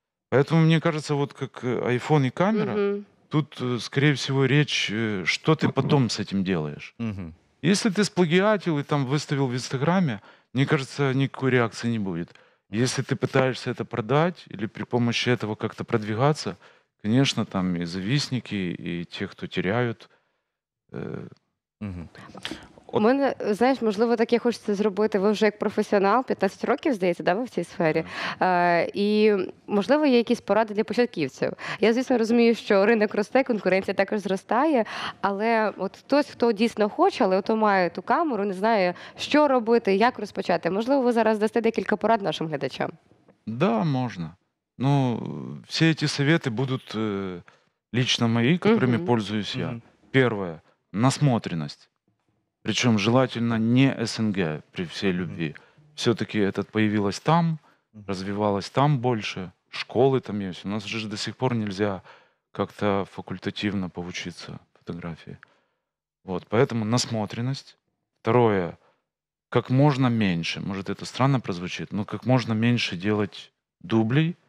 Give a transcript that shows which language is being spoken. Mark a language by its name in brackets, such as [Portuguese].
[Russian] Поэтому, мне кажется, вот как iPhone и камера, тут, скорее всего, речь, что ты потом с этим делаешь. Если ты сплагиатил и там выставил в Инстаграме, мне кажется, никакой реакции не будет. Если ты пытаешься это продать или при помощи этого как-то продвигаться, конечно, там и завистники, и те, кто теряют. [Ukrainian] У мене, знаєш, можливо, так і хочеться зробити. Ви вже як професіонал, 15 років, здається, да, ви в цій сфері. І, можливо, є якісь поради для початківців. Я, звісно, розумію, що ринок росте, конкуренція також зростає, але от хтось, хто дійсно хоче, але от має ту камеру, не знає, що робити, як розпочати. Можливо, ви зараз дасте декілька порад нашим глядачам? Да, можна. Ну, всі ці совети будуть лично мої, якими пользуюсь я. Перше. Насмотренность. [Russian] Причем желательно не СНГ при всей любви. Все-таки этот появилась там, развивалась там больше, школы там есть. У нас же до сих пор нельзя как-то факультативно поучиться фотографии. Вот, поэтому насмотренность. Второе. Как можно меньше, может это странно прозвучит, но как можно меньше делать дублей.